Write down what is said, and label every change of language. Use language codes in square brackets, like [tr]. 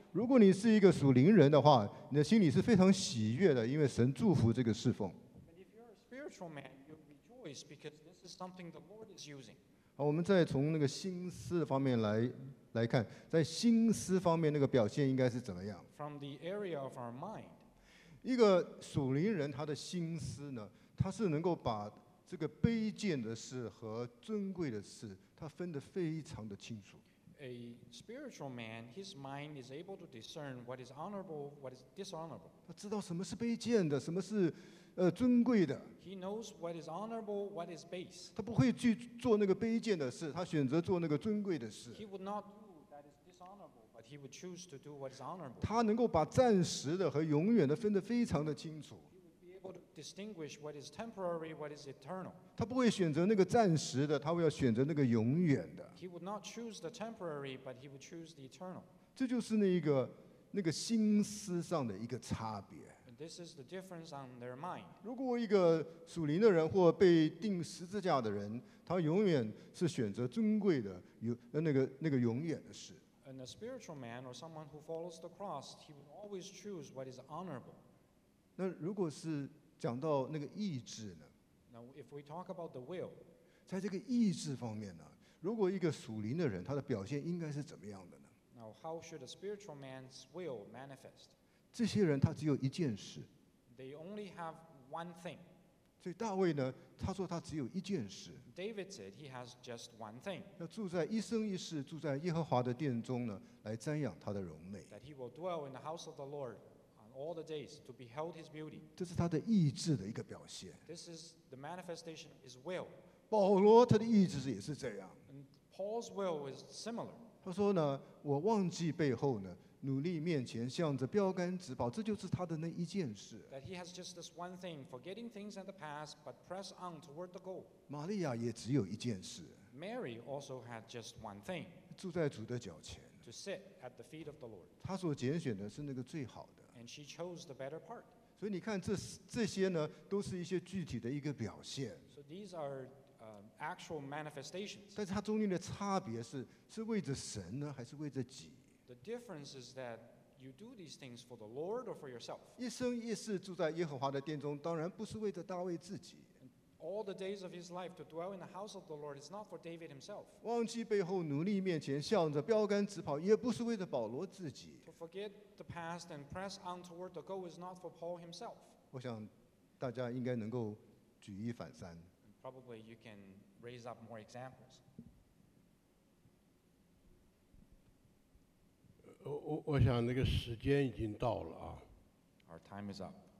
[zh] 如果你是一个属灵人的话，你的心里是非常喜悦的，因为神祝福这个侍奉。 [en] But if you're a spiritual man, you rejoice because this is something the Lord is using. [zh] 好，我们再从那个心思方面来看，在心思方面那个表现应该是怎么样？ [en] From the area of our mind, [zh] 一个属灵人他的心思呢，他是能够把这个卑贱的事和尊贵的事，他分得非常的清楚。 [en] A spiritual man, his mind is able to discern what is honorable, what is dishonorable. [zh] 他知道什么是卑贱的，什么是尊贵的。 [en] He knows what is honorable, what is base. [zh] 他不会去做那个卑贱的事，他选择做那个尊贵的事。 [en] He would not do that is dishonorable, but he would choose to do what is honorable. [zh] 他能够把暂时的和永远的分得非常的清楚。 [en] He would be able to distinguish what is temporary, what is eternal. [zh] 他不会选择那个暂时的，他会要选择那个永远的。 [en] He would not choose the temporary, but he would choose the eternal. [zh] 这就是那个心思上的一个差别。 [en] This is the difference on their mind. [zh] 如果一个属灵的人或被钉十字架的人，他永远是选择尊贵的，那个永远的事。 [en] And a spiritual man or someone who follows the cross, he would always choose what is honorable. [zh] 那如果是讲到那个意志呢？ [en] Now, if we talk about the will, [zh] 在这个意志方面呢，如果一个属灵的人，他的表现应该是怎么样的呢？ [en] Now, how should a spiritual man's will manifest? [zh] 这些人他只有一件事。 [en] They only have one thing. [zh] 所以大卫呢，他说他只有一件事。 [en] David said he has just one thing. [zh] 要住在一生一世住在耶和华的殿中呢，来瞻仰他的荣美。 [en] That he will dwell in the house of the Lord on all the days to behold his beauty. [zh] 这是他的意志的一个表现。 [en] This is the manifestation of his will. [zh] 保罗他的意志也是这样。 [en] And Paul's will is similar. [zh] 他说呢，我忘记背后呢。努力面前，向着标杆直跑，这就是他的那一件事。 [en] That he has just this one thing, forgetting things in the past, but press on toward the goal. [zh] 玛利亚也只有一件事。 [en] Mary also had just one thing. [zh] 住在主的脚前。 [en] To sit at the feet of the Lord. [zh] 她所拣选的是那个最好的。 [en] And she chose the better part. [zh] 所以你看这些呢，都是一些具体的一个表现。 [en] So these are actual manifestations. [zh] 但是它中间的差别是为着神呢，还是为着己？ [en] The difference is that you do these things for the Lord or for yourself. [zh] 一生一世住在耶和华的殿中，当然不是为着大卫自己。 [en] All the days of his life to dwell in the house of the Lord is not for David himself. [zh] 忘记背后，努力面前，向着标杆直跑，也不是为着保罗自己。 [en] To forget the past and press on toward the goal is not for Paul himself. [zh] 我想大家应该能够举一反三。 [en] Probably you can raise up more examples. [zh] 我想那个时间已经到了啊。 [en] Our time is up.